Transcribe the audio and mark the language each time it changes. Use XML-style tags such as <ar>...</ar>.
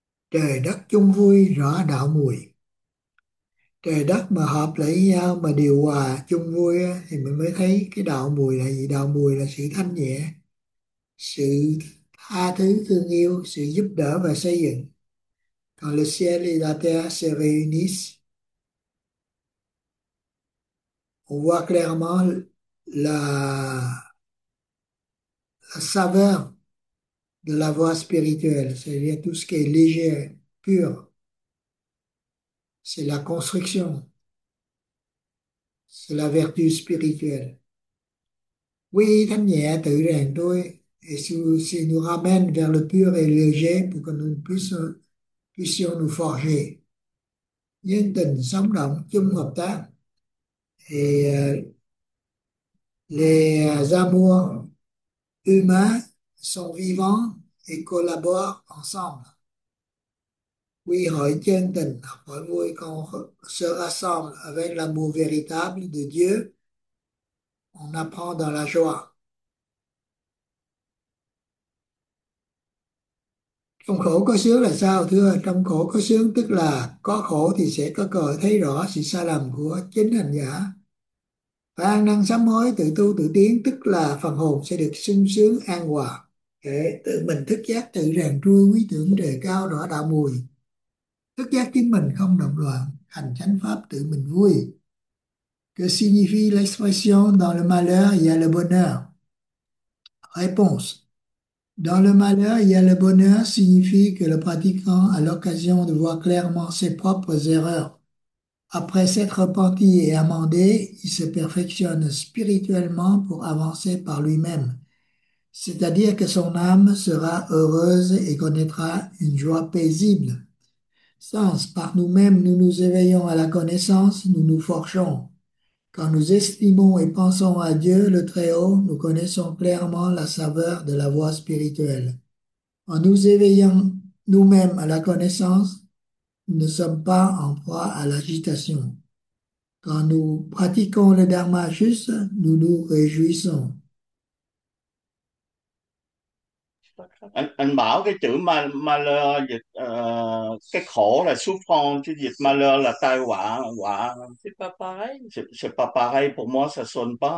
<vi>Trời đất chung vui rõ đạo mùi. Trời đất mà hợp lại với nhau mà điều hòa chung vui á, thì mình mới thấy cái đạo mùi là gì. Đạo mùi là sự thanh nhẹ, sự tha thứ, thương yêu, sự giúp đỡ và xây dựng.</vi> <fr>Còn le ciel et la terre se réunissent. On voit clairement la saveur de la voie spirituelle, c'est-à-dire tout ce qui est léger, pur. C'est la construction. C'est la vertu spirituelle. Oui,</fr> <vi>thanh nhẹ tự rèn tôi.</vi> <fr>Et si nous ramène vers le pur et léger pour que nous puissions nous forger.</fr> <vi>Nhân tình sống động, chung hợp tác.</vi> <fr>Les amours humains sont vivants et collabore ensemble. Oui,</fr> <vi>hội chân tình, hội vui,</vi> <fr>quand on se rassemble avec l'amour véritable de Dieu, on apprend dans la joie.</fr> <vi>Trong khổ có sướng là sao, thưa? Trong khổ có sướng tức là có khổ thì sẽ có cơ hội thấy rõ sự sai lầm của chính hành giả. Và ăn năn sám hối, tự tu tự tiến tức là phần hồn sẽ được sung sướng an hòa. Để tự mình thức giác tự rèn truôi quý tưởng đề cao rõ đạo mùi. Thức giác chính mình không động loạn, hành chánh pháp tự mình vui.</vi> <fr>Que signifie l'expression dans le malheur, il y a le bonheur? Réponse. Dans le malheur, il y a le bonheur signifie que le pratiquant a l'occasion de voir clairement ses propres erreurs. Après s'être repenti et amendé, il se perfectionne spirituellement pour avancer par lui-même. C'est-à-dire que son âme sera heureuse et connaîtra une joie paisible. Sens, par nous-mêmes, nous nous éveillons à la connaissance, nous nous forgeons. Quand nous estimons et pensons à Dieu, le Très-Haut, nous connaissons clairement la saveur de la voie spirituelle. En nous éveillant nous-mêmes à la connaissance, ne sommes pas en proie à l'agitation. Quand nous pratiquons le dharma juste, nous nous réjouissons.</fr> <vi>Anh bảo cái chữ malheur dịch cái khổ là souffrance, chứ dịch malheur là tai họa, họa</vi> <fr>C'est pas pareil. c'est pas pareil pour moi, ça sonne</fr>